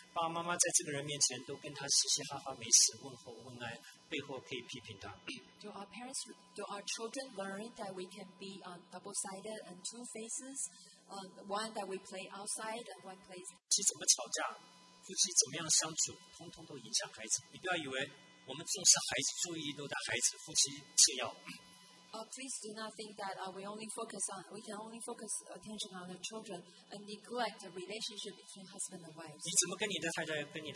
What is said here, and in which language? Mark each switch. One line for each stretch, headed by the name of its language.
Chinese: 爸爸妈妈在这个人面前都跟他嘻嘻哈哈没事问候问爱背后可以批评他
English: Do our parents, do our children learn that we can be double-sided and two-faces? One that we play outside and one plays
Chinese: 妻子怎么吵架夫妻怎么样相处通通都影响孩子你不要以为我们重视孩子注意力都在孩子夫妻次要
English: Please do not think that we can only focus attention on the children and neglect the relationship between husband and wife.